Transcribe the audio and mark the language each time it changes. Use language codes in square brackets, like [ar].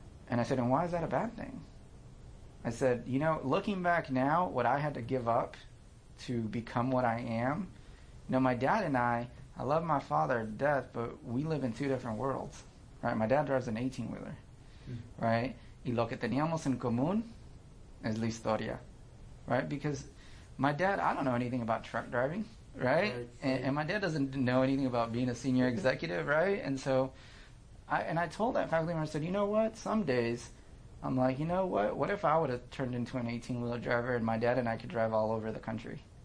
[en] And I said, and why is that a bad thing? I said, you know, looking back now, what I had to give up to become what I am, you know, my dad and I love my father to death, but we live in two different worlds, right? My dad drives an 18-wheeler, mm-hmm. right? [es] Y lo que teníamos en común es la historia, [en] right? Because my dad, I don't know anything about truck driving, right? And my dad doesn't know anything about being a senior executive, right? And so I told that faculty member, I said, you know what? Some days I'm like, you know what? What if I would have turned into an 18-wheeler driver and my dad and I could drive all over the country?